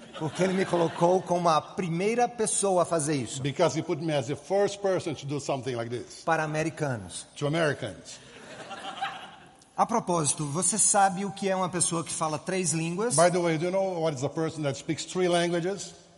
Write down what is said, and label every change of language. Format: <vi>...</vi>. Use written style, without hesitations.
<pt>Porque ele me colocou como a primeira pessoa a fazer isso.</pt> <en>Because he put me as the first person to do something like this.</en> <pt>Para americanos.</pt> <en>To Americans.</en> <pt>A propósito, você sabe o que é uma pessoa que fala três línguas?</pt> <en>By the way, do you know what is a person that speaks three languages?</en>